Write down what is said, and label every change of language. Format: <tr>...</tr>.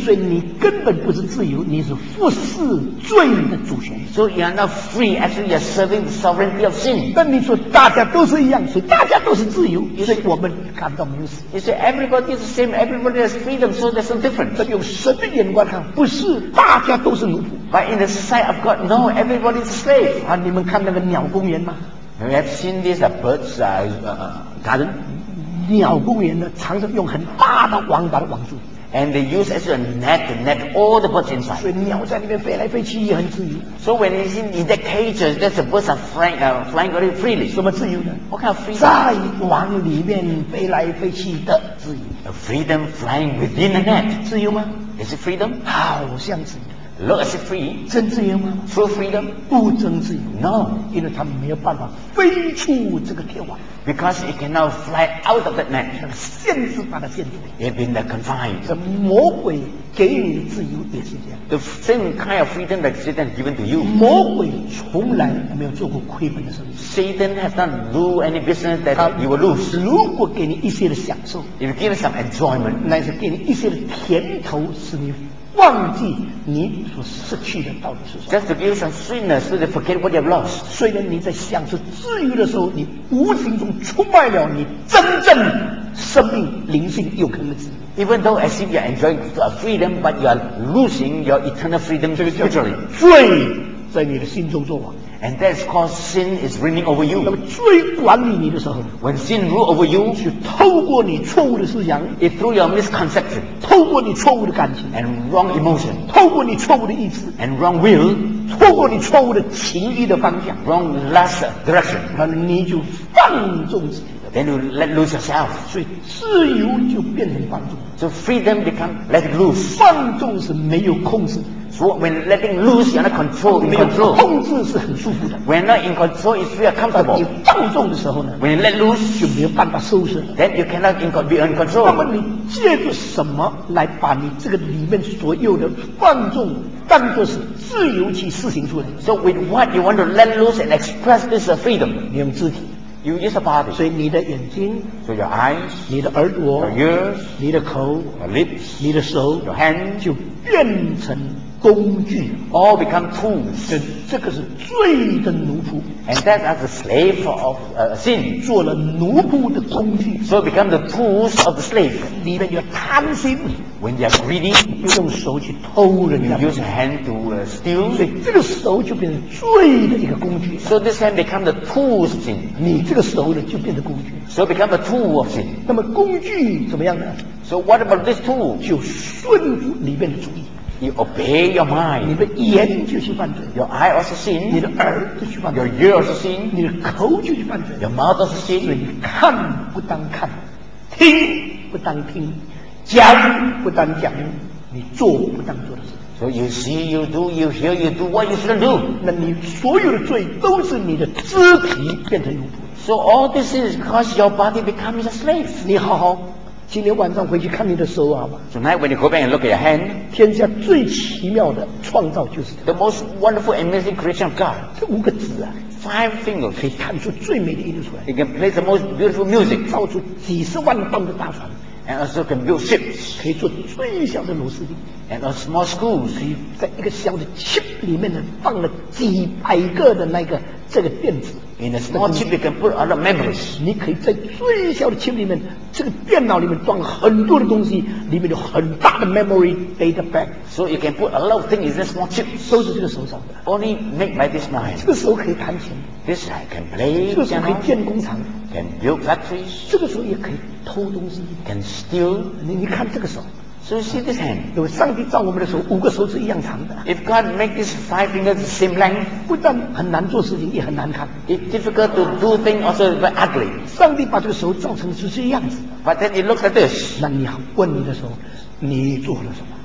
<zh>所以你根本不是自由，你是服侍罪的主权。</zh> <en>So you are not free, actually you are serving the sovereignty of sin.</en> <zh>但你说大家都是一样，所以大家都是自由，所以我们感到没有死。</zh> <en>You say everybody is the same, everybody has freedom, so there's no difference.</en> <zh>但用神的眼光看，不是大家都是奴仆。</zh> <en>But in the sight of God, no, everybody is slave.</en> <zh>啊，你们看那个鸟公园吗？</zh> <en>You have seen this birds garden?</en> <zh>鸟公园呢，常常用很大的网把它网住。</zh> <en>And they use as a net to net all the birds inside.</en> <zh>所以鸟在里面飞来飞去也很自由。</zh> <en>So when it's in that cage, that the birds are flying very freely.</en> <zh>什么自由呢？</zh> <en>What kind of freedom?</en> <zh>在网里面飞来飞去的自由。</zh> <en>A freedom flying within the net.</en> <zh>自由吗？</zh> <en>Is it freedom?</en> <zh>好像自由。</zh> <en>Look as free.</en> <zh>真自由吗？</zh> <en>True freedom.</en> <zh>不真自由。</zh> <en>No.</en> <zh>因为他没有办法飞出这个天网。</zh> <en>Because it cannot fly out of that net.</en> <zh>限制把它限制。</zh> <en>It's been confined.</en> <zh>这魔鬼给你的自由也是这样。</zh> <en>The same kind of freedom that Satan has given to you.</en> <zh>魔鬼从来没有做过亏本的事。</zh> <en>Satan has not do any business that you will lose.</en> <zh>如果给你一些的享受。</zh> <en>If you give some enjoyment.</en> <zh>那是给你一些的甜头使你忘记你所失去的到底是什么。</zh> <en>Just to give some sweetness so they forget what you have lost.</en> <zh>虽然你在享受自由的时候，你无形中出卖了你真正生命灵性有可能的自由。</zh> <en>Even though as if you are enjoying freedom, but you are losing your eternal freedom spiritually.</en> <zh>罪在你的心中作王。</zh> <en>And that's because sin is reigning over you.</en> <zh>那么罪管理你的时候，</zh> <en>when sin rule over you,</en> <zh>就透过你错误的思想，</zh> <en>it through your misconception,</en> <zh>透过你错误的感情，</zh> <en>and wrong emotion,</en> <zh>透过你错误的意志，</zh> <en>and wrong will,</en> <zh>透过你错误的情欲的方向，</zh> <en>wrong lust direction,</en> <zh>那么你就放纵自己。</zh> <en>Then you let loose yourself.</en> <zh>所以自由就变成放纵。</zh> <en>So freedom become let it loose.</en> <zh>放纵是没有控制。</zh> <en>So when letting loose, you're not control.</en> <zh>没有控制是很舒服的。</zh> <en>When not in control, it's very comfortable.</en> <zh>你放纵的时候呢？</zh> <en>When you let loose,</en> <zh>就没有办法收拾。</zh> <en>Then you cannot be in control.</en> <zh>那么你借助什么来把你这个里面所有的放纵当作是自由去施行出来？</zh> <en>So with what you want to let loose and express this freedom?</en> <zh>你用肢体。</zh> <en>You use a body.</en> <zh>所以你的眼睛，</zh> <en>so your eyes,</en> <zh>你的耳朵，</zh> <en>your ears,</en> <zh>你的口，</zh> <en>your lips,</en> <zh>你的手，</zh> <en>your hand,</en> <zh>就变成工具，</zh> <en>all become tools.</en> <zh>这个是罪的奴仆，</zh> <en>and that as a slave of sin,</en> <zh>做了奴仆的工具，</zh> <en>so become the tools of the slave.</en> <zh>里面有贪心，</zh> <en>when you are greedy,</en> <zh>就用手去偷人家，</zh> <en>you use your hand to steal.</en> <zh>所以这个手就变成罪的一个工具，</zh> <en>so this hand become the tools of sin.</en> <zh>你这个手呢就变成工具，</zh> <en>so become the tool of sin.</en> <zh>那么工具怎么样呢？</zh> <en>So what about this tool?</en> <zh>就顺服里面的主意。</zh> <en>You obey your mind.</en> <zh>你的眼就是犯罪。</zh> <en>Your eye also sin.</en> <zh>你的耳就是犯罪。</zh> <en>Your ear also sin.</en> <zh>你的口就是犯罪。</zh> <en>Your mouth also sin.</en> <zh>所以看不当看，听不当听，讲不当讲，你做不当做的事。</zh> <en>So you see, you do, you hear, you do what you shouldn't do.</en> <zh>那你所有的罪都是你的肢体变成奴仆。</zh> <en>So all this is because your body becomes a slave.</en> <zh>你好好。今天晚上回去看你的手好吗？</zh> <en>Tonight when you go back and look at your hand,</en> <zh>天下最奇妙的创造就是</zh> <en>the most wonderful amazing creation of God.</en> <zh>这五个指啊，</zh> <en>five fingers</en> <zh>可以弹出最美的音乐出来。</zh> <en>It can play the most beautiful music.</en> <zh>造出几十万吨的大船。</zh> <en>And also can build ships.</en> <zh>可以做最小的螺丝钉。</zh> <en>And a small screws.</en> <zh>可以在一个小的 chip 里面呢放了几百个的那个这个电子。</zh> <en>In a small chip, you can put a lot of memories.</en> <zh>你可以在最小的 chip 里面，这个电脑里面装很多的东西，里面有很大的</zh> <en>memory data bank. So you can put a lot of things in a small chip.</en> <zh>都是这个手上的。</zh> <en>Only made by this mind.</en> <zh>这个手可以弹琴。</zh> <en>This I can play.</en> <zh>这个手可以建工厂。</zh> <en>Can build factories.</en> <zh>这个手也可以偷东西。</zh> <en>Can steal.</en> <zh>你看这个手。</zh> <en>So you see this hand.</en> <zh>因为上帝造我们的手，五个手指一样长的。</zh> <en>If God make these five fingers the same length,</en> <zh>不但很难做事情，也很难看。</zh> <en>It's difficult to do things, also very ugly.</en> <zh>上帝把这个手造成就是一样子。</zh> <en>But then it looks like this.</en> <zh>那你问你的手，你做了什么</zh>